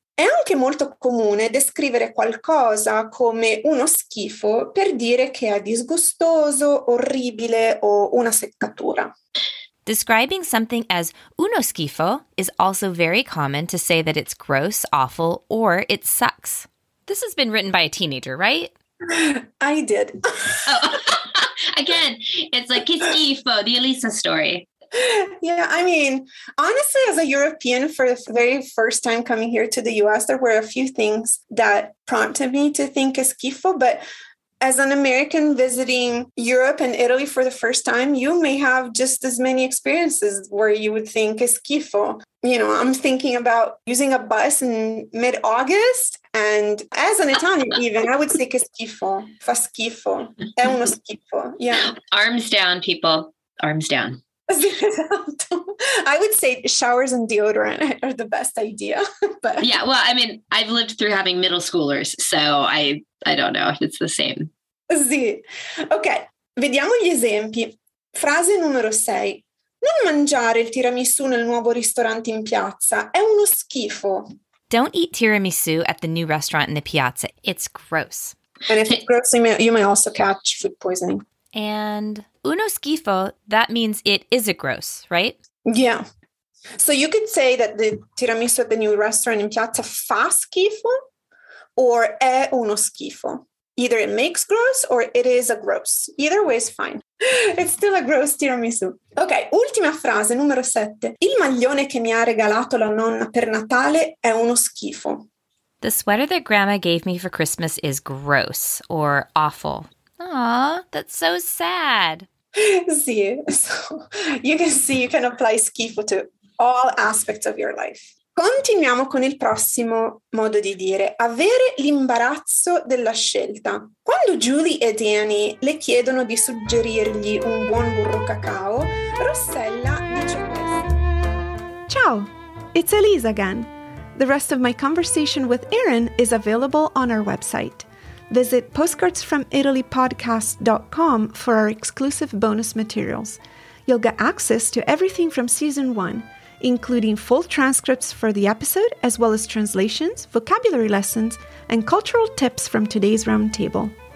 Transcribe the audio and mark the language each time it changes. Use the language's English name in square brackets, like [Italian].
[Italian] È anche molto comune descrivere qualcosa come uno schifo per dire che è disgustoso, orribile o una seccatura. [English] Describing something as uno schifo is also very common to say that it's gross, awful, or it sucks. This has been written by a teenager, right? I did. Oh. Again, it's like che schifo, the Elisa story. Yeah, I mean, honestly, as a European for the very first time coming here to the US, there were a few things that prompted me to think es schifo, but as an American visiting Europe and Italy for the first time, you may have just as many experiences where you would think es schifo. You know, I'm thinking about using a bus in mid-August, and as an Italian even, I would say [Italian] che schifo, fa schifo, è uno schifo, [English] yeah. Arms down, people, arms down. I would say showers and deodorant are the best idea. But yeah, well, I mean, I've lived through having middle schoolers, so I don't know if it's the same. [Italian] Sì. Ok, vediamo gli esempi. Frase numero 6. Non mangiare il tiramisù nel nuovo ristorante in piazza. È uno schifo. [English] Don't eat tiramisù at the new restaurant in the piazza. It's gross. And if it's gross, you may also catch food poisoning. And uno schifo, that means it is a gross, right? Yeah. So you could say that the tiramisu at the new restaurant in piazza fa schifo or è uno schifo. Either it makes gross or it is a gross. Either way is fine. It's still a gross tiramisu. [Italian] Okay, ultima frase, numero 7. Il maglione che mi ha regalato la nonna per Natale è uno schifo. [English] The sweater that grandma gave me for Christmas is gross or awful. Aw, that's so sad. [Italian] Sì. [English] So, you can see you can apply schifo to all aspects of your life. [Italian] Continuiamo con il prossimo modo di dire. Avere l'imbarazzo della scelta. Quando Julie e Danny le chiedono di suggerirgli un buon burro cacao, Rossella dice questo. [English] Ciao, it's Elisa again. The rest of my conversation with Erin is available on our website. Visit postcardsfromitalypodcast.com for our exclusive bonus materials. You'll get access to everything from season one, including full transcripts for the episode, as well as translations, vocabulary lessons, and cultural tips from today's roundtable.